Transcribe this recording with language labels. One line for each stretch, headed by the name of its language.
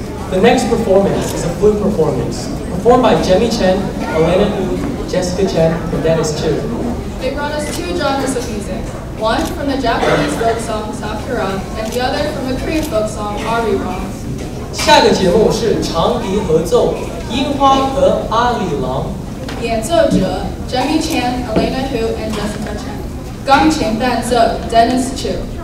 English: The next performance is a flute performance, performed by Jemmy Chen, Elena Wu, Jessica Chen, and Dennis Chu. They brought us two genres of music, one from the Japanese folk song Sakura, and the other from the Korean folk song Ari Rong.
Chinese: 下个节目是长笛合奏《樱花》和《阿里郎》。演奏者 Jamie Chan, Elena Hu, and Jessica Chen. 钢琴伴奏 Dennis Chu.